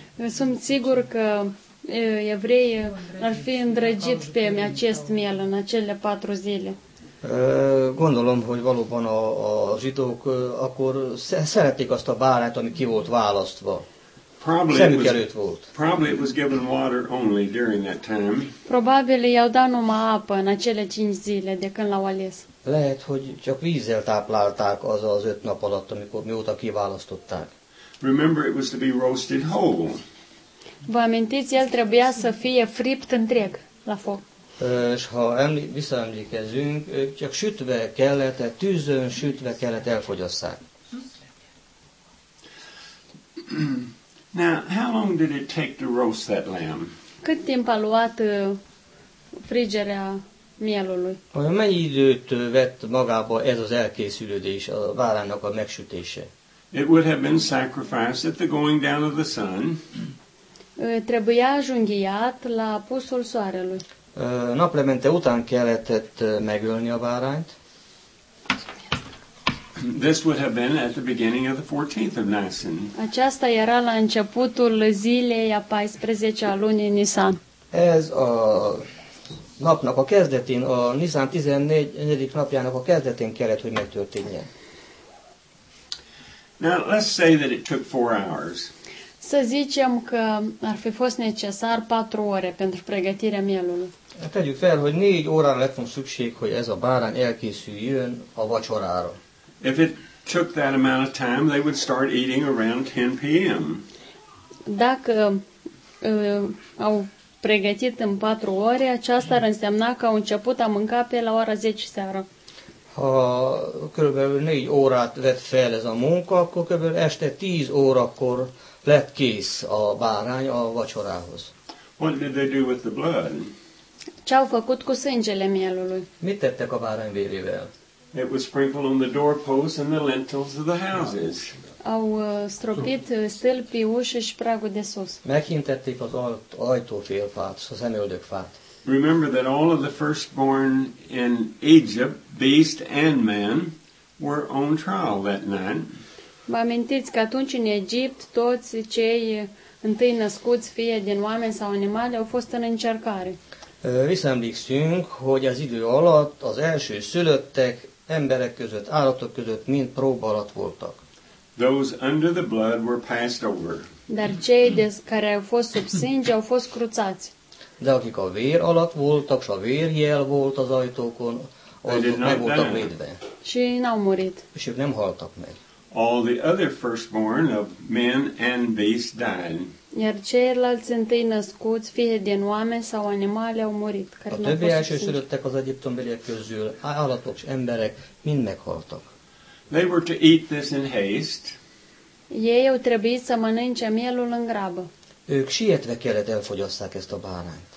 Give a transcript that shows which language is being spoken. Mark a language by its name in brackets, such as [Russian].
[Romanian] Sunt sigur că evreii ar fi îndrăgit pe acest miel în acele 4 zile. [Hungarian] Gondolom, hogy valóban a zsidók akkor szerették azt a bárányt, ami ki volt választva. Szemük előtt volt. [English] Probably it was given water only during that time. [Romanian] Probabil i-au dat numai apă în acele 5 zile de când l-au ales. [Hungarian] Lehet, hogy csak vízzel táplálták az az 5 nap alatt, amikor mióta kiválasztották. [English] Remember, it was to be roasted whole. [Romanian] Vă amintiți, el trebuia să fie fript întreg la foc. [Hungarian] Și ha visszaemlékezünk, csak sütve kellett, tűzön sütve kellett elfogyasszák. [English] Now, how long did it take to roast that lamb? [Romanian] Cât timp a luat frigerea mielului? [Hungarian] Mennyi időt vett magába ez az elkészülődés, a báránynak a megsütése? [English] It would have been sacrificed at the going down of the sun. [Romanian] Trebuia junghiat la apusul soarelui. [Hungarian] Naplemente után kellett megölni a bárányt. [English] This would have been at the beginning of the 14th of Nisan. [Romanian] Aceasta era la începutul zilei a 14-a lunii Nisan. [Hungarian] Ez a napnak a kezdetén, a Nisan 14. napjának a kezdetén kellett, hogy megtörténjen. [English] Now let's say that it took 4 hours. [Romanian] Să zicem că ar fi fost necesar 4 ore pentru pregătirea mielului. [Hungarian] Tegyük fel, hogy 4 órára lett volna szükség, hogy ez a bárány elkészüljön a vacsorára. [English] If it took that amount of time, they would start eating around 10 p.m. [Romanian] Dacă au pregătit în 4 ore, aceasta ar însemna că au început a mânca pe la ora 10 seara. [Hungarian] Ha körülbelül 4 órát vett fel ez a munka, akkor körülbelül este 10 órakor lett kész a bárány a vacsorához. [English] What did they do with the blood? [Romanian] Ce-au făcut cu sângele mielului? [Hungarian] Mit tettek a bárány vérével? [English] It was sprinkled on the doorposts and the lintels of the houses. [Romanian] Au stropit stâlpi ușe și pragul de sus. [Hungarian] Meghintették az ajtófélfát, a szemöldökfát. [English] Remember that all of the firstborn in Egypt, beast and man, were on trial that night. [Romanian] Vă amintiți că atunci în Egipt toți cei întâi născuți, fie din oameni sau animale, au fost în încercare. [Hungarian] Visszaemlékszünk, hogy az idő alatt az első szülöttek emberek között, állatok között mind próba alatt voltak. [English] Those under the blood were passed over. [Romanian] Dar cei care au fost sub sânge au fost cruțați. [Hungarian] De akik a vér alatt voltak, s a vérjel volt az ajtókon, azok meg voltak védve. [Romanian] Și n-au murit. [Hungarian] És ők nem haltak meg. [English] All the other firstborn of men and beasts died. [Romanian] Iar ceilalți întâi născuți, fie din oameni sau animale, au murit. [Hungarian] A többi elsőszülöttek az egyiptombeliek közül, állatok și emberek, mind meghaltak. [English] They were to eat this in haste. [Romanian] Ei au trebuit să mănânce mielul în grabă. [Hungarian] Ők sietve kellett elfogyasszák ezt a bárányt.